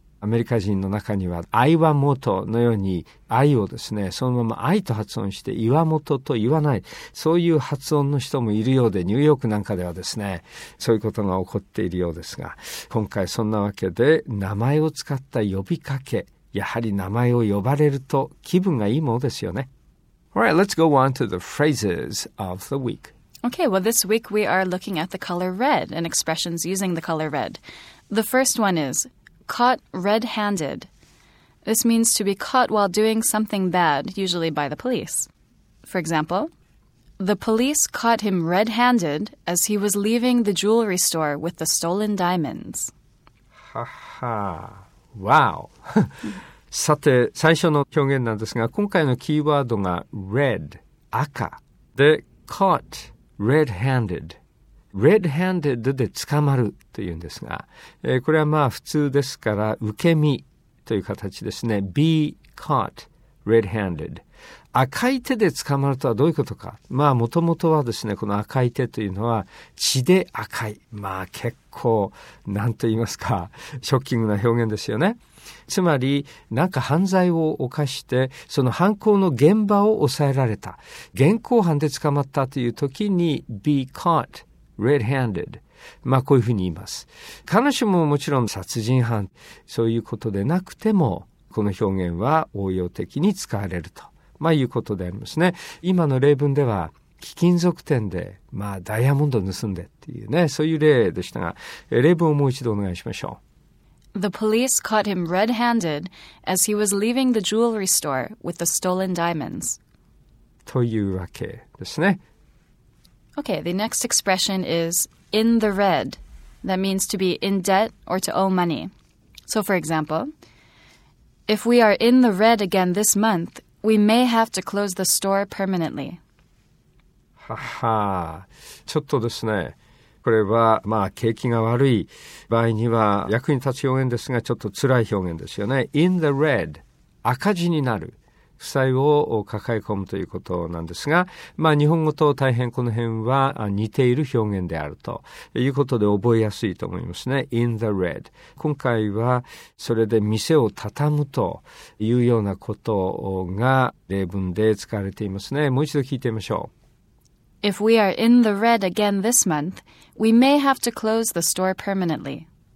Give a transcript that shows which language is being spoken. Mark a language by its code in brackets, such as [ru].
[ja] アメリカ人の中には岩本のように愛をですね、そのまま愛と発音して岩本と言わない、そういう発音の人もいるようで、ニューヨークなんかではですね、そういうことが起こっているようですが、今回そんなわけで名前を使った呼びかけ、やはり名前を呼ばれると気分がいいものですよね。 [en] Alright, let's go on to the phrases of the week Okay, well, this week we are looking at the color red and expressions using the color red. The first one isCaught red-handed. This means to be caught while doing something bad, usually by the police. For example, the police caught him red-handed as he was leaving the jewelry store with the stolen diamonds. Ha ha. Wow. [ja] さて、最初の表現なんですが、今回のキーワードが red, 赤。で、caught red-handed. Red-handed で捕まるというんですが、これはまあ普通ですから受け身という形ですね。 [en] Be caught red-handed。 [ja] 赤い手で捕まるとはどういうことか。まあ、もともとはですね、この赤い手というのは血で赤い。まあ、結構、なんと言いますか、ショッキングな表現ですよね。つまり、なんか犯罪を犯して、その犯行の現場を抑えられた。現行犯で捕まったという時に、 [en] be caught, red-handed。 [ja] まあ、こういうふうに言います。彼女ももちろん殺人犯、そういうことでなくても、この表現は応用的に使われると。まあ、いうことでありますね。今の例文では貴金属店で、まあ、ダイヤモンド盗んでっていうね、そういう例でしたが、例文をもう一度お願いしましょう。 [en] The police caught him red-handed as he was leaving the jewelry store with the stolen diamonds. [ja] というわけですね。 [en] Okay, the next expression is in the red. That means to be in debt or to owe money. So for example, if we are in the red again this month,We may have to close the store permanently. [ja] はは、ちょっとですね、これはまあ景気が悪い場合には役に立つ表現ですが、ちょっと辛い表現ですよね。 [en] In the red, [ja] 赤字になる、負債を抱え込むということなんですが、まあ日本語と大変この辺は似ている表現であるということで覚えやすいと思いますね。 [en] In the red。 [ja] 今回はそれで店を畳むというようなことが例文で使われていますね。もう一度聞いてみましょう。 [en] If we are in the red again this month, we may have to close the store permanently.